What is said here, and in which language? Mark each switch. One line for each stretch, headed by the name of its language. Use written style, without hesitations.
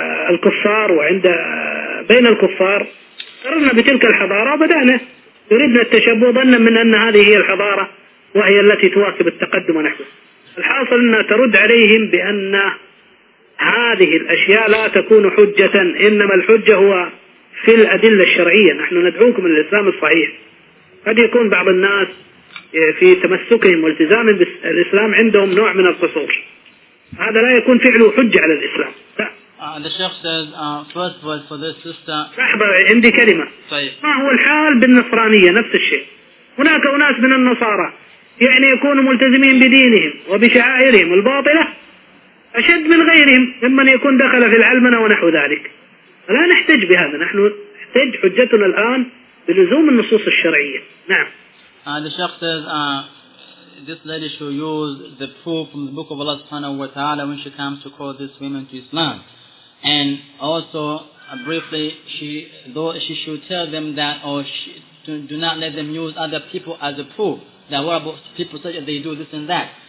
Arabic: الكفار وعند بين الكفار قررنا بتلك الحضارة بدأنا يريدنا التشبه ظنا من أن هذه هي الحضارة وهي التي تواكب التقدم نحوه الحاصل أنها ترد عليهم بأن هذه الأشياء لا تكون حجة إنما الحجة هو في الأدلة الشرعية نحن ندعوكم للإسلام الصحيح قد يكون بعض الناس في تمسكهم والتزامهم بالإسلام عندهم نوع من القصور هذا لا يكون فعله حجة على الإسلام لا
English: The Sheikh says, first word for this sister.
Arabic: لحظة عندي كلمة. طيب. ما هو الحال بالنصرانية نفس الشيء. هناك أناس من النصارى يعني يكونوا ملتزمين بدينهم وبشعائرهم الباطلة أشد من غيرهم ممن يكون دخل في العلمنة ونحو ذلك. فلا نحتج بهذا نحن نحتج حجتنا الآن بلزوم النصوص الشرعية. نعم.
English: The Sheikh says, this lady should use the proof from the book of Allah subhanahu wa ta'ala when she comes to call this woman to Islam. And also, briefly, she should tell them that, or she, do not let them use other people as a proof, that what about people such as they do this and that.